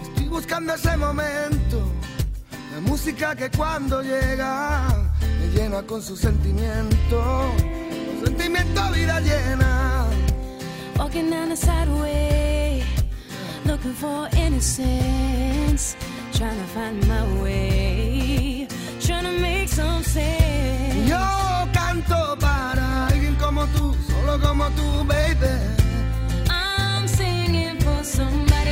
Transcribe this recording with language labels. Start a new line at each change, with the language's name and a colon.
Spanish: Buscando ese momento, la música que cuando llega me llena con su sentimiento, un sentimiento vida llena.
English: Walking down the sideway, looking for innocence, trying to find my way, trying to make some sense.
Spanish: Yo canto para alguien como tú, solo como tú, baby.
English: I'm singing for somebody.